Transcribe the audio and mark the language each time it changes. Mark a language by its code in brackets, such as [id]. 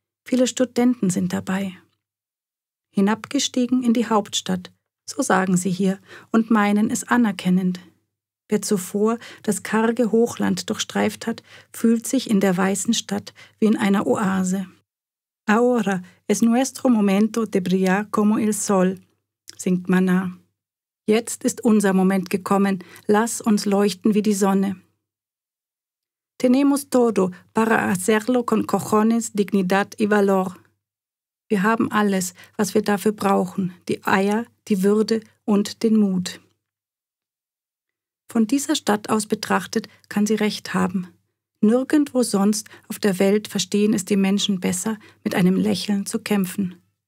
[de] Viele Studenten sind dabei. Hinabgestiegen in die Hauptstadt, so sagen sie hier, und meinen es anerkennend. Wer zuvor das karge Hochland durchstreift hat, fühlt sich in der weißen Stadt wie in einer Oase. [es] Ahora es nuestro momento de brillar como el sol, [de] singt [es] Mana. [de] Jetzt ist unser Moment gekommen, lass uns leuchten wie die Sonne. [es] Tenemos todo para hacerlo con cojones, dignidad y valor. [de] Wir haben alles, was wir dafür brauchen, die Eier, die Würde und den Mut. Von dieser Stadt aus betrachtet, kann sie recht haben. Nirgendwo sonst auf der Welt verstehen es die Menschen besser, mit einem Lächeln zu kämpfen.